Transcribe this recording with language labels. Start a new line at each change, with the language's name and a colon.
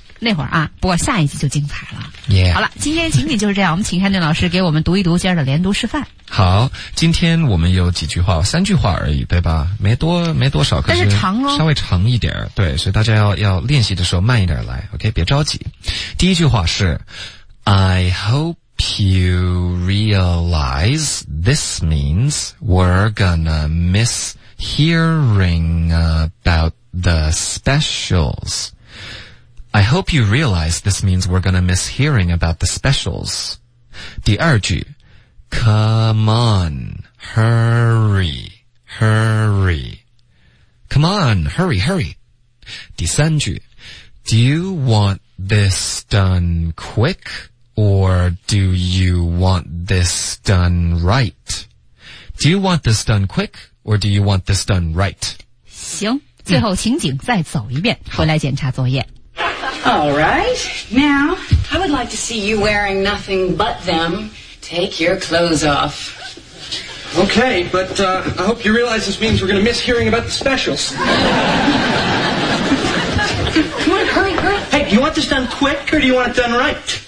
Chinese: 那会儿啊，不过下一集就精彩了。
English: Yeah.
Chinese: 好了，今天情景就是这样，我们请汉俊老师给我们读一读今儿的连读示范。好，今天我们有几句话，三句话而已，对吧？没多少，但是长哦，稍微长一点，对，所以大家要练习的时候慢一点来 ，OK， 别着急。第一句话是
English: ，I hope you realize this means we're gonna miss hearing about the specials. I hope you realize this means we're gonna miss hearing about the specials.
Chinese: 第二句
English: Come on, hurry, hurry. Come on, hurry, hurry.
Chinese: 第三句
English: Do you want this done quick or do you want this done right? Do you want this done quick or do you want this done right?
Chinese: 行，最后情景再走一遍，回来检查作业。
English: All right. Now, I would like to see you wearing nothing but them. Take your clothes off. Okay, but, I hope you realize this means we're going to miss hearing about the specials. Come on, hurry, hurry. Hey, do you want this done quick or do you want it done right?